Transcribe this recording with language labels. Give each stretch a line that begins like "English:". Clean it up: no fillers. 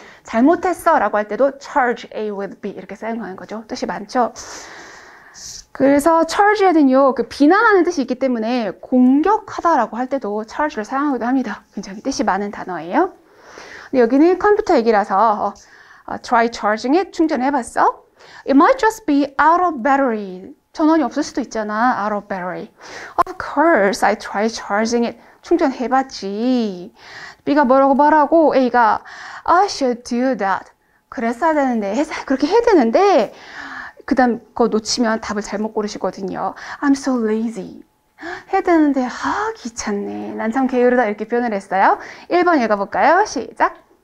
Korean: 잘못했어 라고 할 때도 charge A with B 이렇게 사용하는 거죠. 뜻이 많죠. 그래서 charge에는요, 그 비난하는 뜻이 있기 때문에 공격하다 라고 할 때도 charge를 사용하기도 합니다. 굉장히 뜻이 많은 단어예요. 근데 여기는 컴퓨터 얘기라서
English: try charging it,
Korean: 충전해봤어?
English: It might just be out of battery.
Korean: 전원이 없을 수도 있잖아.
English: out of battery. Of course, I tried charging it.
Korean: 충전해봤지. B가 뭐라고 말하고 A가
English: I should do that.
Korean: 그랬어야 되는데, 그렇게 해야 되는데 그 다음 거 놓치면 답을 잘못 고르시거든요.
English: I'm so lazy.
Korean: 해야 되는데 아 귀찮네. 난 참 게으르다 이렇게 표현을 했어요. 1번 읽어볼까요? 시작.